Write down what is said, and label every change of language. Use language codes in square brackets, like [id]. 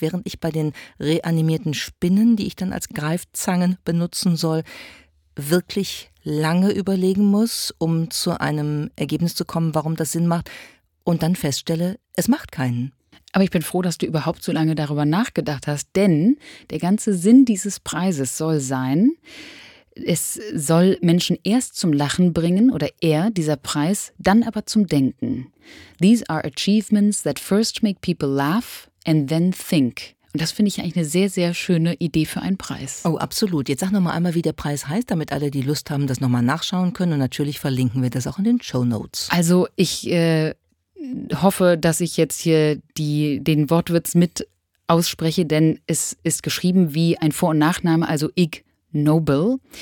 [de] Während ich bei den reanimierten Spinnen, die ich dann als Greifzangen benutzen soll, wirklich lange überlegen muss, um zu einem Ergebnis zu kommen, warum das Sinn macht und dann feststelle, es macht keinen. Aber ich bin froh, dass du überhaupt so lange darüber nachgedacht hast, denn der ganze Sinn dieses Preises soll sein, es soll Menschen erst zum Lachen bringen oder eher dieser Preis, dann aber zum Denken. [en] These are achievements that first make people laugh and then think. [de] Und das finde ich eigentlich eine sehr, sehr schöne Idee für einen Preis. Oh, absolut. Jetzt sag nochmal einmal, wie der Preis heißt, damit alle, die Lust haben, das nochmal nachschauen können. Und natürlich verlinken wir das auch in den Shownotes. Also ich hoffe, dass ich jetzt hier den Wortwitz mit ausspreche, denn es ist geschrieben wie ein Vor- und Nachname, also Ig Nobel.